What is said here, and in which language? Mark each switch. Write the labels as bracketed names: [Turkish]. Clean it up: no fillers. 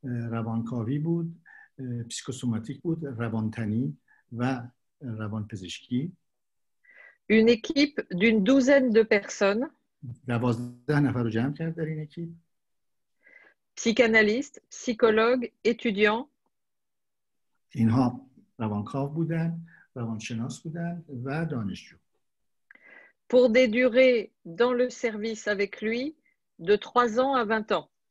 [Persian] روانکاوی بود، پسیکوسوماتیک بود، روانتنی و روانپزشکی. [French] une équipe d'une douzaine de personnes. [Persian] دوازده نفر رو جمع کرد در این اکیپ. [French] Psychanalyste, psychologue, étudiant. [Persian] اینها روانکاو بودن، روانشناس بودن و دانشجو. [French] Pour des durées dans le service avec lui de 3 ans à 20 ans.